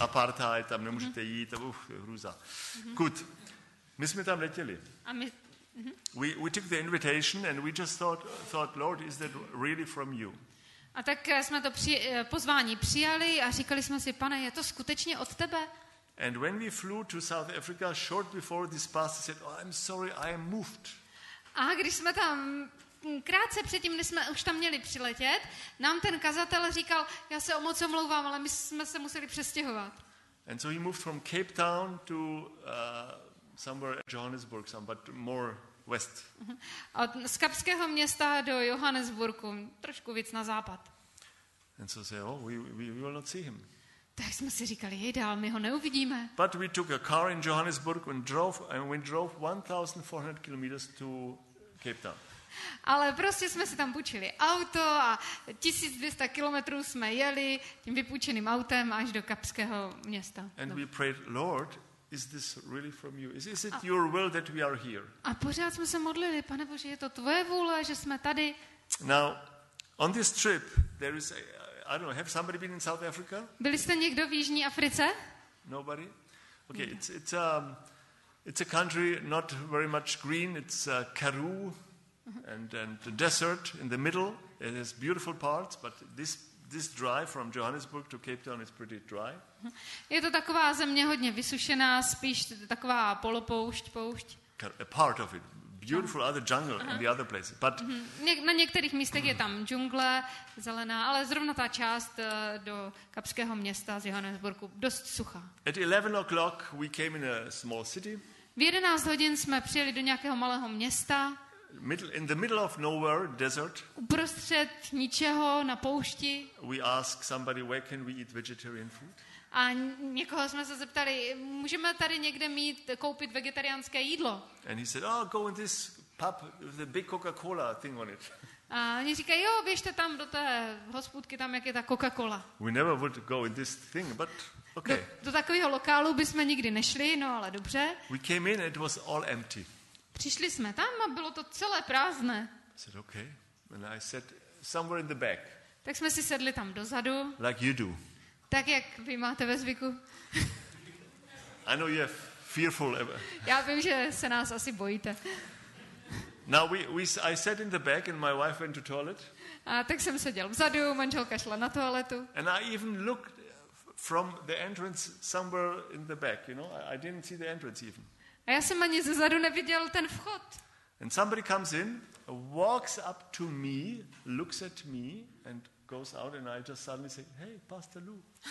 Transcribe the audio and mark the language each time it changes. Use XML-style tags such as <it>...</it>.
<cs>Apartheid, tam nemůžete jít, hrůza.</cs> <en>Good.</en> <cs>My jsme tam letěli. A my</cs> <en>We took the invitation and we just thought Lord, is that really from you?</en> <cs>A tak jsme to pozvání přijali a říkali jsme si, Pane, je to skutečně od tebe?</cs> <en>And when we flew to South Africa short before this pastor said, oh, I'm sorry, I am moved.</en> <cs>A když jsme tam krátce předtím, než jsme už tam měli přiletět, nám ten kazatel říkal, já se o moc omlouvám, ale my jsme se museli přestěhovat.</cs> <en>And so he moved from Cape Town to somewhere in Johannesburg, some but more west.</en> <cs>Z Kapského města do Johannesburgu, trošku víc na západ.</cs> <en>And so say, oh, we will not see him.</en> <cs>Tak jsme si říkali, jejda, my ho neuvidíme.</cs> <en>But we took a car in Johannesburg and we drove 1400 kilometers to Cape Town.</en> <cs>Ale prostě jsme si tam půjčili auto a 1200 kilometrů jsme jeli tím vypůjčeným autem až do Kapského města.</cs> <en>And we prayed, Lord, is this really from you? Is it your will that we are here?</en> <cs>A pořád jsme se modlili, Pane Bože, je to tvoje vůle, že jsme tady.</cs> <en>Now, on this trip, there is, I don't know, have somebody been in South Africa?</en> <cs>Byli jste někdo v jižní Africe?</cs> <en>Nobody? Okay, it's a country not very much green, it's Karoo and the desert in the middle. It has beautiful parts, but this drive from Johannesburg to Cape Town is pretty dry.</en> <cs>Je to taková země hodně vysušená, spíš taková polopoušť, poušť.</cs> <en>A part of it. Beautiful other jungle in the other places. But</en> <cs>na některých místech je tam džungle, zelená, ale zrovna ta část do Kapského města z Johannesburgu dost suchá.</cs> <en>At 11 o'clock we came in a small city.</en> <cs>V 11 hodin jsme přijeli do nějakého malého města.</cs> <en>In the middle of nowhere, desert.</en> <cs>Uprostřed ničeho na poušti.</cs> <en>We ask somebody, where can we eat vegetarian food?</en> <cs>A někoho jsme se zeptali, můžeme tady někde mít koupit vegetariánské jídlo?</cs> <en>And he said, oh, go in this pub with the big Coca-Cola thing on it.</en> <cs>A oni říkají, jo, běžte tam do té hospůdky, tam jak je ta Coca-Cola.</cs> <en>We never would go in this thing, but okay.</en> <cs>Do takového lokálu bychom nikdy nešli, no ale dobře.</cs> <en>We came in, it was all empty.</en> <cs>Přišli jsme tam a bylo to celé prázdné.</cs> <en>I said, okay. And I said, somewhere in the back.</en> <cs>Tak jsme si sedli tam dozadu.</cs> <en>Like you do.</en> <cs>Tak jak vy máte ve zvyku.</cs> <en>I know you're fearful ever.</en> <cs>Já vím, že se nás asi bojíte.</cs> <en>Now I sat in the back and my wife went to toilet.</en> <cs>A tak jsem seděl vzadu, manželka šla na toaletu.</cs> <en>And I even looked from the entrance somewhere in the back, you know? I didn't see the entrance even.</en> <cs>A já jsem ani zezadu neviděl ten vchod.</cs> <en>And somebody comes in, walks up to me, looks at me and goes out and I just suddenly say, hey, Pastor Lou.</en>